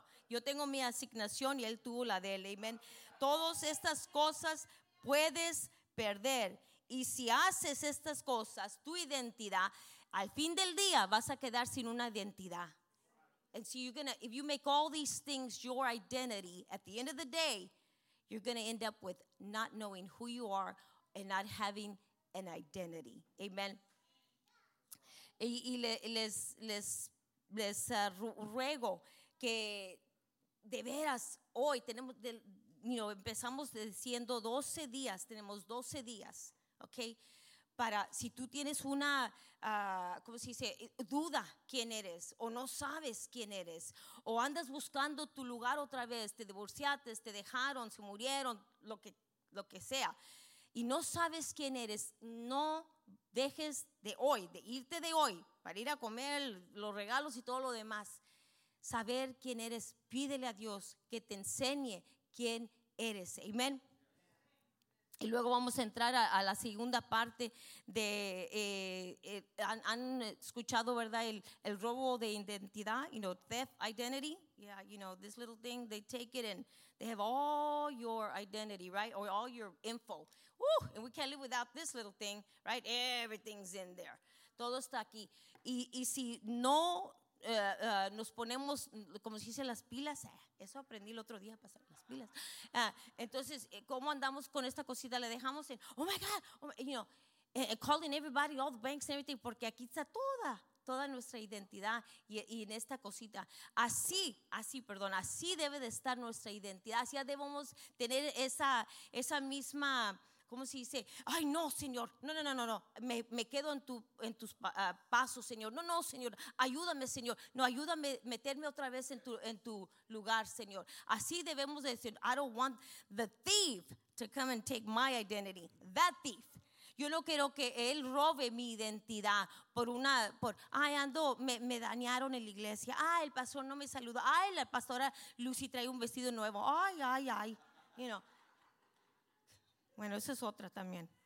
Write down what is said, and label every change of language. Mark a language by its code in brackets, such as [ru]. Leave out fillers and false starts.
[es] Yo tengo mi asignación y él tuvo la de él, amen. Todas estas cosas puedes perder. Y si haces estas cosas, tu identidad, al fin del día vas a quedar sin una identidad. [en] And so you're gonna, if you make all these things your identity, at the end of the day, you're gonna end up with not knowing who you are and not having an identity. [es] Amen. Y les ruego que de veras hoy tenemos, [en] you know, [es] empezamos diciendo 12 días, tenemos 12 días, okay? Para si tú tienes una, ¿cómo se dice? Duda quién eres, o no sabes quién eres, o andas buscando tu lugar otra vez, te divorciaste, te dejaron, se murieron, lo que sea, y no sabes quién eres, no dejes de hoy, de irte de hoy, para ir a comer los regalos y todo lo demás. Saber quién eres, pídele a Dios que te enseñe quién eres. Amén. Y luego vamos a entrar a la segunda parte de, han escuchado, ¿verdad? El robo de identidad, [en] you know, theft identity. Yeah, you know, this little thing, they take it and they have all your identity, right? Or all your info. Woo! And we can't live without this little thing, right? Everything's in there. [es] Todo está aquí. Y si no nos ponemos, como se dice, las pilas. Eso aprendí el otro día, pasar las pilas. Entonces, ¿cómo andamos con esta cosita? Le dejamos en, [en] oh my God, you know, calling everybody, all the banks and everything, [es] porque aquí está toda nuestra identidad y en esta cosita. Así debe de estar nuestra identidad. Así debemos tener esa misma, ¿cómo se dice? Ay, no, Señor. No. Me quedo en tus pasos, Señor. No, Señor. Ayúdame, Señor. No, ayúdame a meterme otra vez en tu lugar, Señor. Así debemos decir, [en] I don't want the thief to come and take my identity. That thief. [es] Yo no quiero que él robe mi identidad me dañaron en la iglesia. Ah, el pastor no me saludó. Ay, la pastora Lucy trae un vestido nuevo. Ay, ay, ay. [en] You know. [es] Bueno, esa es otra también.